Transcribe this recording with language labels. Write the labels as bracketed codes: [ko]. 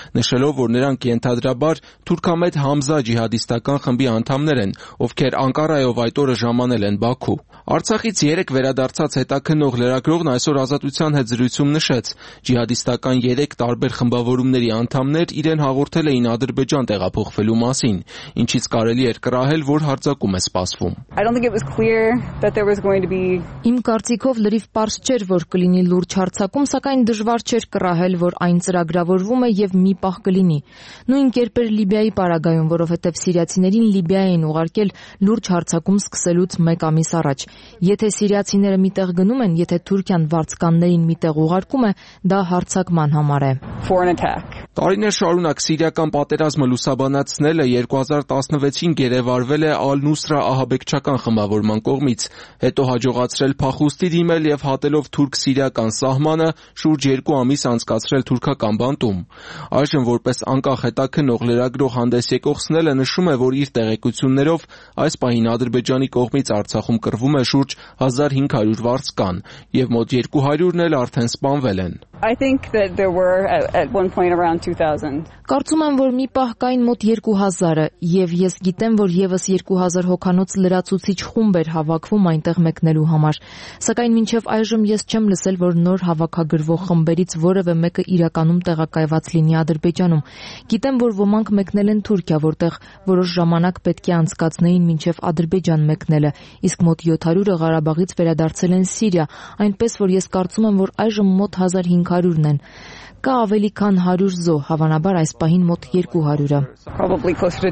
[hy] նշելով, որ նրանք ենթադրաբար Թուրքամետ Համզա ջիհադիստական խմբի անդամներ են, ովքեր Անկարայով այդ օրը ժամանել են Բաքու։ Արցախից երեք վերադարձած հետաքնող լրագրողն այսօր ազատության հետ զրույցում նշեց. Ջիհադիստական երեք տարբեր խմբավորումների անդամներ իրեն հաղորդել էին Ադրբեջան տեղափոխվելու մասին, ինչից կարելի էր կռահել, որ հարձակում է սպասվում։ [en] I don't think it was clear that there was going to be [hy] Իմ կարծիքով լրիվ պարզ չէր, որ կլինի լուրջ հարձակում, սակայն դժվար չէր կռահել, որ այն ծրագրավորվում է եւ մի պահ կլինի։ Նույն կերպ էր Լիբիայի պարագայում, որովհետեւ սիրիացիներին Լիբիայ են ուղարկել լուրջ հարձակում սկսելուց 1 ամիս առաջ։ Եթե սիրիացիները մի տեղ գնում են, եթե Թուրքիան վարձկաններին մի տեղ ուղարկում է, դա հարձակման համար է։ Տարիներ շարունակ սիրիական պատերազմը լուսաբանացնելը 2016-ին գերեվարվել է Ալ-Նուսրա ահաբեկչական խմբավորման կողմից, հետո հաջողացրել փախուստի դիմել և հատելով թուրք-սիրիական սահմանը շուրջ 2 ամիս անցկացրել թուրքական բանտում։ Այժմ, որպես անկախ հետաքնող լրագրող հանդես եկող Սնելը նշում է, որ իր տեղեկություններով այս պահին Ադրբեջանի կողմից Արցախում կռվում է շուրջ 1500 վարձկան, և մոտ 200-ն էլ արդեն սպանվել են։ [en] I think that there were at one point around 2000. [hy] Կարծում եմ, որ մի պահ կային մոտ 2000-ը, եւ ես գիտեմ, որ եւս 2000 հոգանոց լրացուցիչ խումբ էր հավաքվում այնտեղ մեկնելու համար։ Սակայն մինչև այժմ ես չեմ լսել, որ նոր հավաքագրվող խմբերից որևէ մեկը իրականում տեղակայված լինի Ադրբեջանում։ Գիտեմ, որ ոմանք մեկնել են Թուրքիա, որտեղ որոշ ժամանակ պետք է անցկացնեին մինչև Ադրբեջան մեկնելը, իսկ մոտ 700-ը Ղարաբաղից վերադարձել են Սիրիա, այնպես որ ես կարծում եմ, որ այժմ մոտ 1500-ն են։ Կա ավելի քան 100 զոհ, հավանաբար այս պահին մոտ 200-ը։